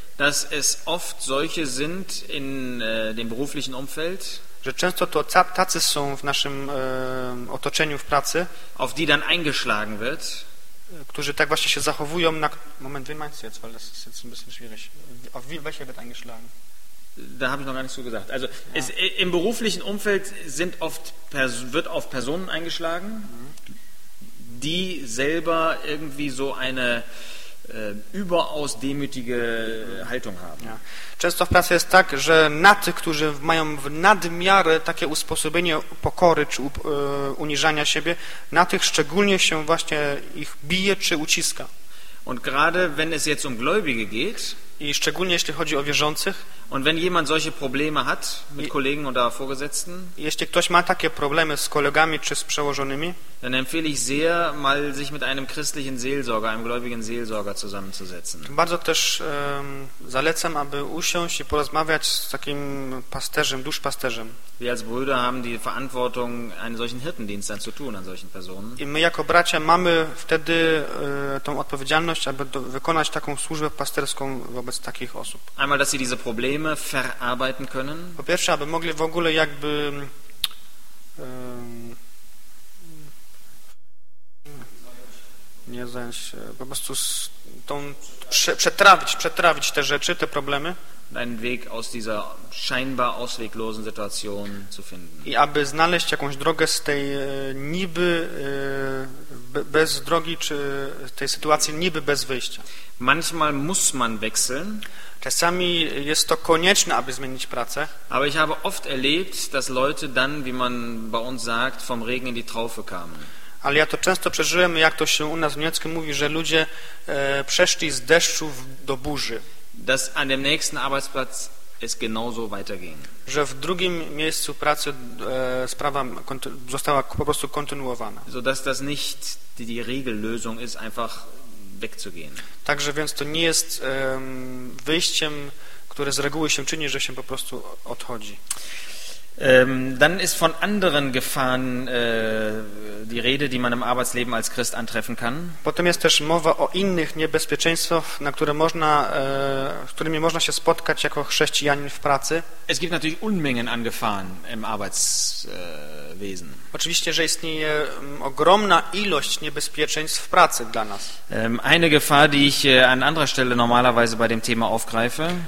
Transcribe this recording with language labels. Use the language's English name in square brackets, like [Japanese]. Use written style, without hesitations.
[German] Dass es oft solche sind in dem beruflichen Umfeld, [Polish] że często to tacy są w naszym otoczeniu w pracy, [German] auf die dann eingeschlagen wird, [Polish] którzy tak właśnie się zachowują na moment, [German] wie meinst du jetzt, weil das ist jetzt ein bisschen schwierig. Auf wie welche wird eingeschlagen? Da habe ich noch gar nicht so gesagt. Also ja. Es, im beruflichen Umfeld sind oft wird auf Personen eingeschlagen, die selber irgendwie so eine überaus demütige Haltung haben. Ja. [Polish] Często w pracy jest tak, że na tych, którzy mają w nadmiarze takie usposobienie pokory czy uniżania siebie, na tych szczególnie się właśnie ich bije czy uciska. [German] Und gerade wenn es jetzt um Gläubige geht, [Polish] i szczególnie jeśli chodzi o wierzących, [German] und wenn jemand solche Probleme hat mit Kollegen oder Vorgesetzten, [Polish] jeśli ktoś ma takie problemy z kolegami czy z przełożonymi, [German] dann empfehle ich sehr, mal sich mit einem christlichen Seelsorger, einem gläubigen Seelsorger zusammenzusetzen. [Polish] Bardzo też zalecam, aby usiąść i porozmawiać z takim pasterzem, duszpasterzem. [German] Wir als Brüder haben die Verantwortung, einen solchen Hirtendienst dann zu tun an solchen Personen. [Polish] I my jako bracia mamy wtedy tą odpowiedzialność, aby wykonać taką służbę pasterską wobec takich osób. [German] Einmal, dass sie diese Probleme verarbeiten können. [Polish] Po pierwsze, aby mogli w ogóle jakby nie zająć się, po prostu tą przetrawić te rzeczy, te problemy. [German] Einen Weg aus dieser scheinbar ausweglosen Situation zu finden. [Polish] I aby znaleźć jakąś drogę z tej niby bez drogi, czy tej sytuacji niby bez wyjścia. [German] Manchmal muss man wechseln. [Polish] Czasami jest to konieczne, aby zmienić pracę. [German] Aber ich habe oft erlebt, dass Leute dann, wie man bei uns sagt, vom Regen in die Traufe kamen. [Polish] Ale ja to często przeżyłem, jak to się u nas w Niemczech mówi, że ludzie przeszli z deszczu do burzy. [German] Dass an dem nächsten Arbeitsplatz es genauso weiterging. [Polish] Że w drugim miejscu pracy sprawa została po prostu kontynuowana. [German] So dass das nicht die Regellösung ist, einfach wegzugehen. [Polish] Także więc to nie jest wyjściem, które z reguły się czyni, że się po prostu odchodzi. [German] Dann ist von anderen Gefahren die Rede, die man im Arbeitsleben als Christ antreffen kann. [Polish] Potem jest też mowa o innych niebezpieczeństwach, na które można, z którymi można się spotkać jako chrześcijanin w pracy. [German] Es gibt natürlich Unmengen an Gefahren im Arbeitswesen. [Polish] Oczywiście, że istnieje ogromna ilość niebezpieczeństw w pracy dla nas. [German] Eine Gefahr, die ich an anderer Stelle normalerweise bei dem Thema aufgreife.